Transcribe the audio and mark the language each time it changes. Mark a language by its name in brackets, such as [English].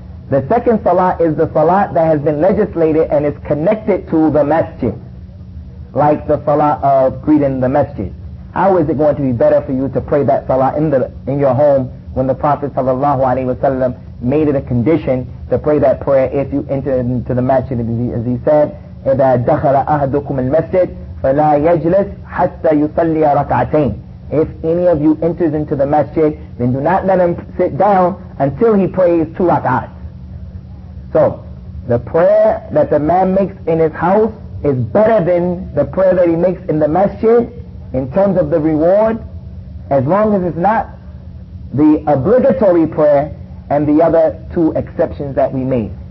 [English] The second salat is the salat that has been legislated and is connected to the masjid, like the salat of greeting the masjid. How is it going to be better for you to pray that salat in your home when the Prophet sallallahu alayhi wa sallam made it a condition to pray that prayer if you enter into the masjid? As he said, [Arabic] إِذَا دَخَلَ أَهْدُكُمُ الْمَسْجِدِ فَلَا يَجْلِسْ حَتَّى يُصَلِّيَ رَكْعَتَيْنِ. [English] If any of you enters into the masjid, then do not let him sit down until he prays two rak'ahs. So, The prayer that the man makes in his house is better than the prayer that he makes in the masjid in terms of the reward, as long as it's not the obligatory prayer and the other two exceptions that we made.